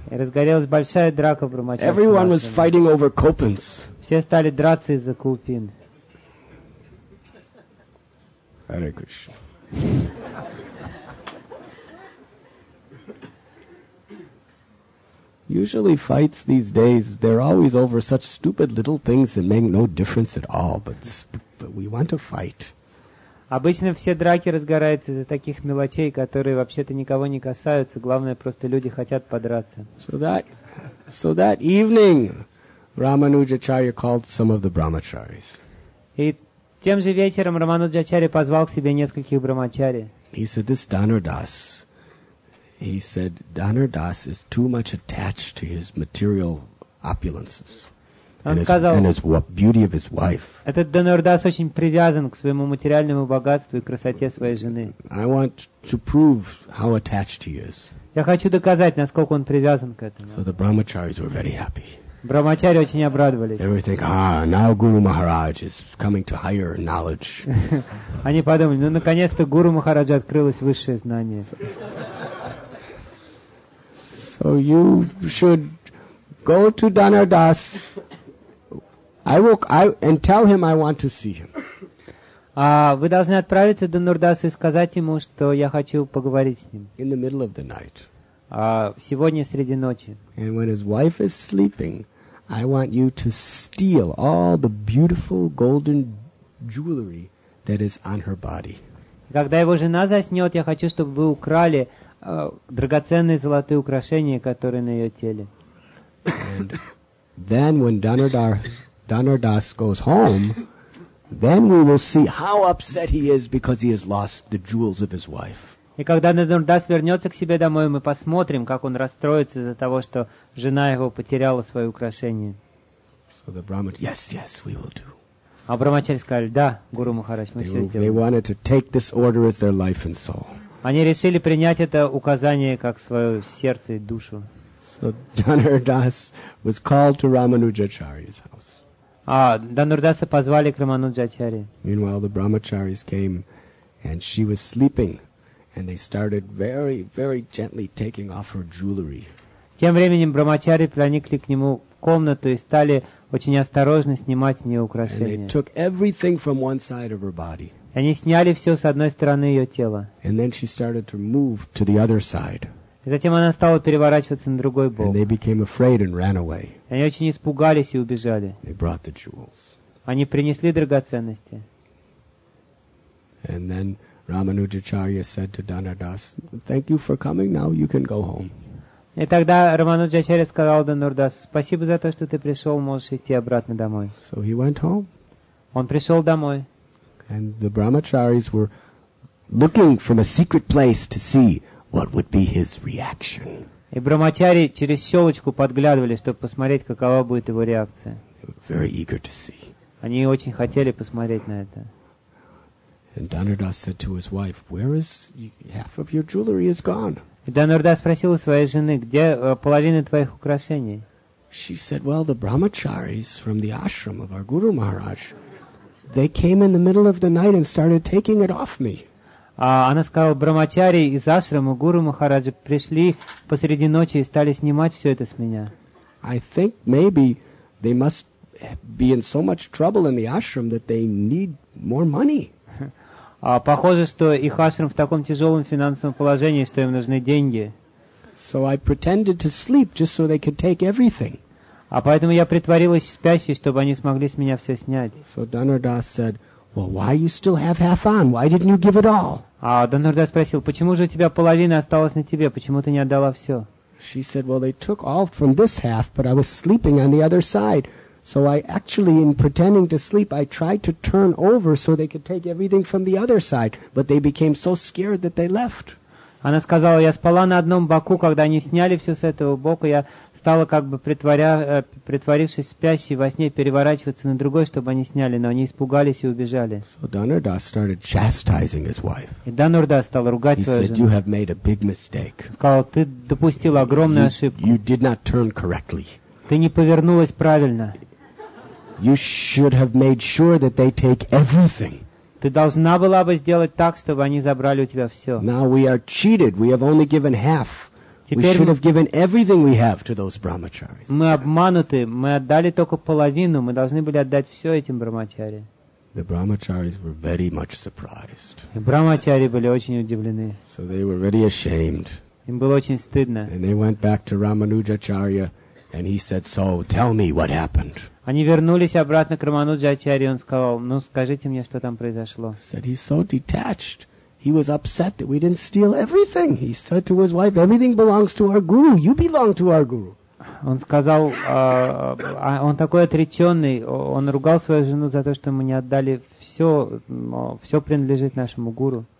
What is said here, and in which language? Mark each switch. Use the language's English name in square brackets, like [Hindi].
[Russian] И разгорелась большая драка в брахмачарском. [English] Everyone was fighting over kopans. [Russian] Все стали драться из-за купин. [English] Hare Krishna. Usually fights these days, they're always over such stupid little things that make no difference at all, but we want to fight. [Russian] Обычно все драки разгораются из-за таких мелочей, которые вообще-то никого не касаются. Главное, просто люди хотят подраться. [English] So that evening, Рамануджачарья called some of the brahmacharis. [Russian] И тем же вечером Рамануджачарья позвал к себе нескольких брахмачари. [English] He said, "This Dhanur Das. He said, Dhanur Das is too much attached to his material opulences." And his beauty of his wife. [Russian] Этот Dhanur Das очень привязан к своему материальному богатству и красоте своей жены. [English] I want to prove how attached he is. [Russian] Я хочу доказать, насколько он привязан к этому. [English] So the brahmacharis were very happy. [Russian] Брахмачари очень обрадовались. [English] They were thinking, now Guru Maharaj is coming to higher knowledge. [Russian] Они подумали, ну наконец-то Гуру Махараджа открылось высшее знание. [English] So you should go to Dhanur Das. And tell him I want to see him. [Russian] Вы должны отправиться до Нурдасу и сказать ему, что я хочу поговорить с ним. [English] In the middle of the night. [Russian] Сегодня среди ночи. [English] And when his wife is sleeping, I want you to steal all the beautiful golden jewelry that is on her body. [Russian] Когда его жена заснет, я хочу, чтобы вы украли драгоценные золотые украшения, которые на ее теле. [English] And then when Dhanur Das goes home, then we will see how upset he is because he has lost the jewels of his wife. [Russian] И когда Dhanur Das вернется к себе домой, мы посмотрим, как он расстроится из-за того, что жена его потеряла свои украшения. [English] So the Brahmacharis, yes, we will do. [Russian] А брахмачари сказали, да, Гуру Махарадж, мы все сделаем. [English] They wanted to take this order as their life and soul. [Russian] Они решили принять это указание как свое сердце и душу. [English] So Dhanur Das was called to Ramanujacharya's house. [Russian] Dhanur Dasa позвали к Рамануджачарье. [English] Meanwhile, the brahmacharis came, and she was sleeping, and they started very, very gently taking off her jewelry. [Russian] Тем временем брахмачари проникли к нему в комнату и стали очень осторожно снимать с нее украшения. [English] And they took everything from one side of her body. [Russian] Они сняли все с одной стороны ее тела. [English] And then she started to move to the other side. [Russian] Затем она стала переворачиваться на другой бок. [English] And they became afraid and ran away. [Russian] Они очень испугались и убежали. [English] They brought the jewels. [Russian] Они принесли драгоценности. [English] And then Ramanujacharya said to Dhanadas, "Thank you for coming. Now you can go home." [Russian] И тогда Рамануджачарья сказал Дандурдасу: "Спасибо за то, что ты пришел, можешь идти обратно домой." [English] So he went home. [Russian] Он пришел домой. [English] And the brahmacharis were looking from a secret place to see what would be his reaction. [Russian] И брахмачари через селочку подглядывали, чтобы посмотреть, какова будет его реакция. [English] They were very eager to see. [Russian] Они очень хотели посмотреть на это. [English] And Dhanadas said to his wife, "Where is half of your jewelry? Is gone." [Russian] И Дандурдас спросил у своей жены, где половина твоих украшений. [English] She said, "Well, the brahmacharis from the ashram of our Guru Maharaj, they came in the middle of the night and started taking it off me." [Russian] Она сказала, брахмачари из ашрама Гуру Махараджа пришли посреди ночи и стали снимать все это с меня. [English] I think maybe they must be in so much trouble in the ashram that they need more money. [Russian] Похоже, что их ашрам в таком тяжелом финансовом положении, что им нужны деньги. [English] So I pretended to sleep just so they could take everything. [Russian] Поэтому я притворилась спящей, чтобы они смогли с меня все снять. [English] So Dhanadas said, "Well, why you still have half on? Why didn't you give it all?" [Russian] Дандурдас спросил, почему же у тебя половина осталась на тебе? Почему ты не отдала все? [English] She said, "Well, they took all from this half, but I was sleeping on the other side. So I actually, in pretending to sleep, I tried to turn over so they could take everything from the other side, but they became so scared that they left." [Russian] Она сказала, я спала на одном боку, когда они сняли все с этого бока, я стала как бы притворившись спящей во сне, переворачиваться на другой, чтобы они сняли, но они испугались и убежали. [English] So Dhanadas started chastising his wife. [Russian] И Дандурдас стал ругать свою жену. [English] You have made a big mistake. [Russian] Сказал, ты допустил огромную ошибку. [English] You did not turn correctly. [Russian] Ты не повернулась правильно. [English] You should have made sure that they take everything. [Russian] Ты должна была бы сделать так, чтобы они забрали у тебя все. [English] Now we are cheated. We have only given half. We should have given everything we have to those brahmacharis. [Russian] Мы обмануты. Мы отдали только половину. Мы должны были отдать все этим брахмачари. [English] The brahmacharis were very much surprised. [Russian] Брахмачари были очень удивлены. [English] So they were very ashamed. [Russian] Им было очень стыдно. [English] And they went back to Ramanujacharya, and he said, "So tell me what happened." [Russian] Они вернулись обратно к Рамануджачарье, и он сказал, ну, скажите мне, что там произошло. [English] Said he's so detached. He was upset that we didn't steal everything. He said to his wife, "Everything belongs to our guru. You belong to our guru." [Russian] Он сказал, он такой отреченный, он ругал свою жену за то, что мы не отдали все, все принадлежит нашему гуру.